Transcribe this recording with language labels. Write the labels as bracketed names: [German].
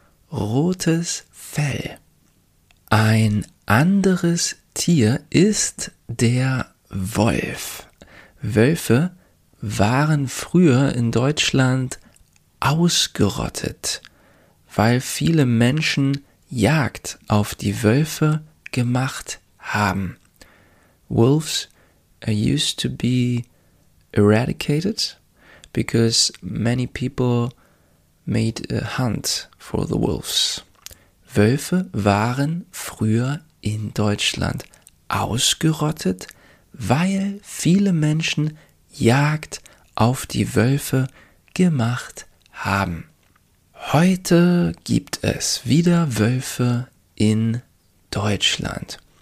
[German] Rotes Fell. Ein anderes Tier ist der Wolf. Wölfe waren früher in Deutschland ausgerottet, weil viele Menschen Jagd auf die Wölfe gemacht haben. [English] Wolves used to be eradicated because many people made a hunt for the wolves. [German] Wölfe waren früher in Deutschland ausgerottet, weil viele Menschen Jagd auf die Wölfe gemacht haben. Heute gibt es wieder Wölfe in Deutschland.